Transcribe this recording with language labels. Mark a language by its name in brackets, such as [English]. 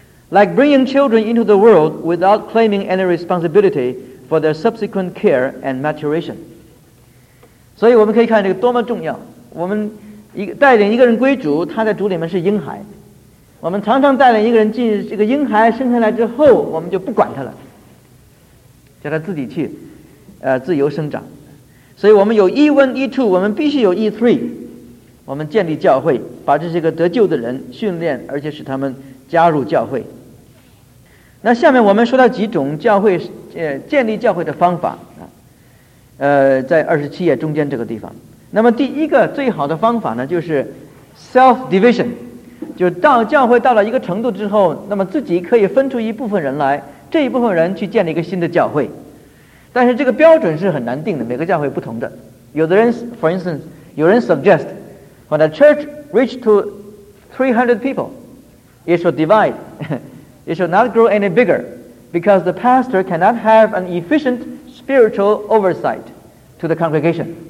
[English] Like bringing children into the world without claiming any responsibility for their subsequent care and maturation. [Chinese] 所以我们可以看这个多么重要。我们带领一个人归主，他在主里面是婴孩。我们常常带领一个人进这个婴孩生下来之后，我们就不管他了，叫他自己去，自由生长。所以我们有 E1 E2， 我们必须有 E3， 我们建立教会，把这些个得救的人训练，而且使他们加入教会。那下面我们说到几种教会建立教会的方法，在27页中间这个地方。那么第一个最好的方法呢，就是 self division， 就是到教会到了一个程度之后，那么自己可以分出一部分人来，这一部分人去建立一个新的教会。但是这个标准是很难定的，每个教会不同的。有的人 [English] for instance [Chinese] 有人 [English] suggest when a church reach to 300 people it should divide it should not grow any bigger because the pastor cannot have an efficient spiritual oversight to the congregation。